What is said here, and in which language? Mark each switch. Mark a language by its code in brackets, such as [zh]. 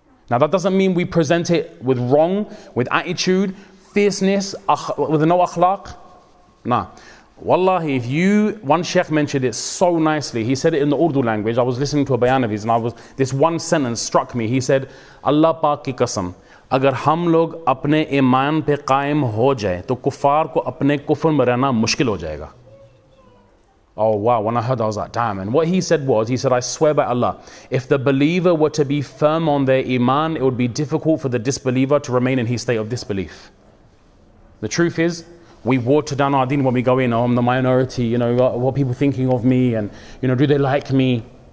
[en] Now that doesn't mean we present it with wrong, with attitude, fierceness, with no akhlaq. Nah. Wallahi, if you, one Sheikh mentioned it so nicely, he said it in the Urdu language. I was listening to a bayan of his and this one sentence struck me. He said, [ur] اللہ پاک کی قسم, اگر ہم لوگ اپنے ایمان پہ قائم ہو جائے, تو کفر کو اپنے کفر میں رہنا مشکل ہو جائے گا. [en] Oh wow, when I heard that, I was like, damn. And what he said was, he said, I swear by Allah, if the believer were to be firm on their iman, it would be difficult for the disbeliever to remain in his state of disbelief. The truth is, we water down our deen when we go in, oh, I'm the minority, you know, what are people thinking of me, and, you know, do they like me?